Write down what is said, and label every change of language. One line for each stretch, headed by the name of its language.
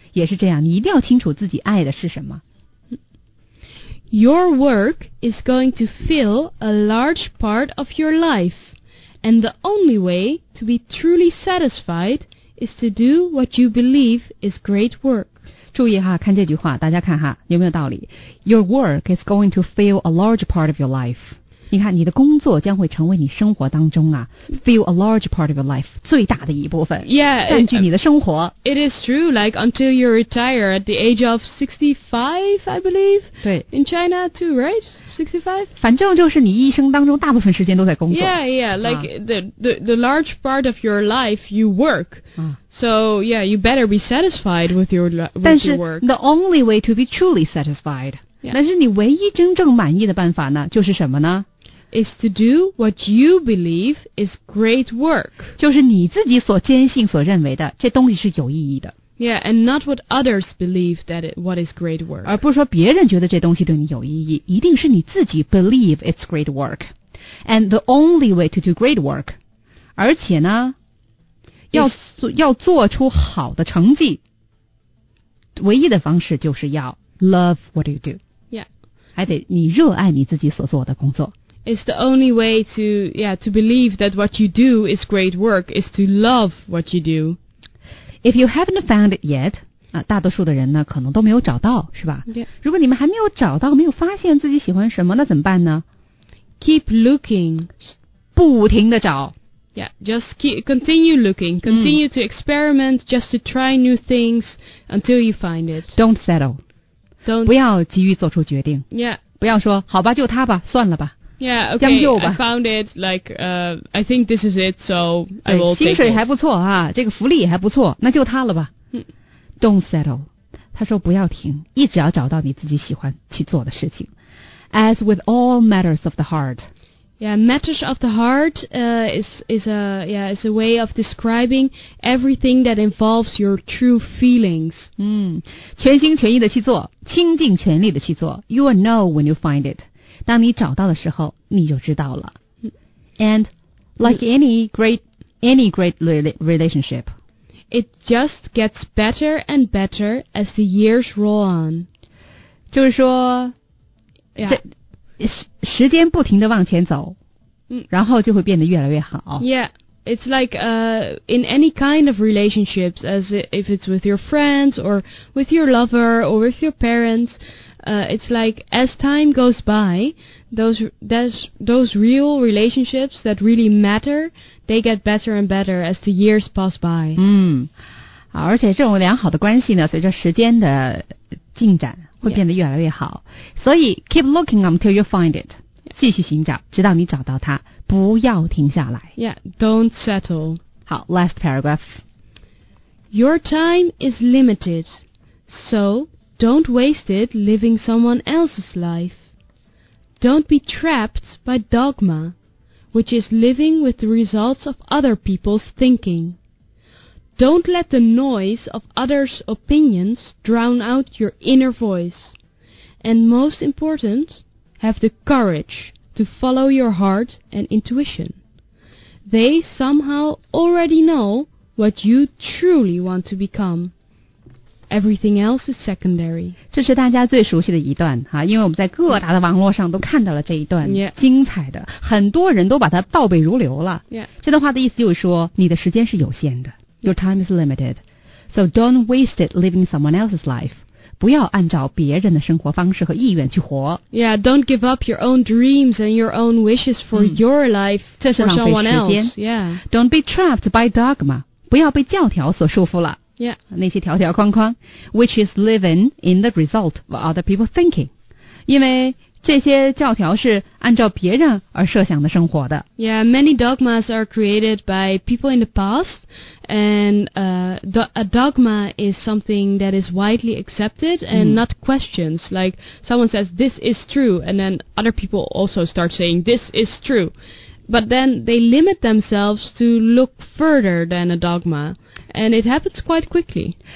Chinese: 也是这样，你一定要清楚自己爱的是什么。
English: Your work is going to fill a large part of your life, and the only way to be truly satisfied is to do what you believe is great work.
Chinese: 注意哈，看这句话，大家看哈，有没有道理
English: ？Your work is going to fill a large part of your life.
Chinese: 你看，你的工作将会成为你生活当中啊 ，
English: fill a large part of your life
Chinese: 最大的一部分
English: ，Yeah，
Chinese: 占据你的生活。
English: It is true, like until you retire at the age of 65, I believe.
Chinese: 对
English: ，in China too, right? 65.
Chinese: 反正就是你一生当中大部分时间都在工作。
English: Yeah, yeah, like、the large part of your life you work.、So yeah, you better be satisfied with your work.
Chinese: 但是
English: the only way to be truly satisfied. Yeah.
Chinese: 那是你唯一真正满意的办法呢？就是什么呢
English: ？Is to do what you believe is great work.
Chinese: 就是你自己所坚信、所认为的这东西是有意义的。
English: Yeah, and not what others believe that what is great work.
Chinese: 而不是说别人觉得这东西对你有意义，一定是你自己
English: believe it's great work.
Chinese: And the only way to do great work. 而且呢要做出好的成绩，唯一的方式就是要
English: love what you do. Yeah.
Chinese: 还得你热爱你自己所做的工作。
English: It's the only way to believe that what you do is great work is to love what you do. If you haven't found it yet,
Chinese: 大多数的人呢可能都没有找到，是吧？
English: Yeah.
Chinese: 如果你们还没有找到，没有发现自己喜欢什么，那怎么办呢？
English: Keep looking.
Chinese: 不停地找。
English: Yeah, just continue looking. Continue to experiment, just to try new things until you find it. Don't settle. Don't.
Chinese: 不要急于做出决定。
English: Yeah.
Chinese: 不要说好吧，就他吧，算了吧。
English: Yeah, okay,
Chinese: 将就吧。
English: I found it. Like, I think this is it. So I will.
Chinese: 薪水还不错啊，这个福利还不错，那就他了吧。
English: Don't settle.
Chinese: 他说不要停，一直要找到你自己喜欢去做的事情。
English: As with all matters of the heart. Yeah, matters of the heart is a way of describing everything that involves your true feelings.
Chinese: 全心全意的去做，倾尽全力的去做。
English: You will know when you find it.
Chinese: 当你找到的时候，你就知道了。
English: And like any great relationship, it just gets better and better as the years roll on.
Chinese: 就是说，
English: yeah.
Chinese: 时间不停地往前走，然后就会变得越来越好。
English: Yeah, it's like in any kind of relationships, as if it's with your friends or with your lover or with your parents, it's like as time goes by, those real relationships that really matter, they get better and better as the years pass by.
Chinese: 好，而且这种良好的关系呢，随着时间的进展。会变得越来越好、
English: yeah.
Chinese: 所以
English: keep looking until you find it、yeah.
Chinese: 继续寻找直到你找到它不要停下来
English: Yeah, don't settle
Chinese: 好
English: last paragraph Your time is limited So don't waste it living someone else's life Don't be trapped by dogma Which is living with the results of other people's thinkingDon't let the noise of others' opinions drown out your inner voice. And most important, have the courage to follow your heart and intuition. They somehow already know what you truly want to become. Everything else is secondary.
Chinese: 这是大家最熟悉的一段哈，因为我们在各大的网络上都看到了这一段精彩的、
English: yeah.
Chinese: 很多人都把它倒背如流了。
English: Yeah.
Chinese: 这段话的意思就是说你的时间是有限的。
English: Your time is limited, so don't waste it living someone else's life.
Chinese: 不要按照别人的生活方式和意愿去活。
English: Yeah, don't give up your own dreams and your own wishes for your life for someone else. Yeah. Don't be trapped by dogma.
Chinese: 不要被教条所束缚了。
English: Yeah.
Chinese: 那些条条框框
English: which is living in the result of other people thinking.
Chinese: 因为这些教条是按照别人而设想的生活的。
English: Yeah, many dogmas are created by people in the past, and a dogma is something that is widely accepted and not questioned. Like someone says, "This is true," and then other people also start saying, "This is true," but then they limit themselves to look further than a dogma, and it happens quite quickly.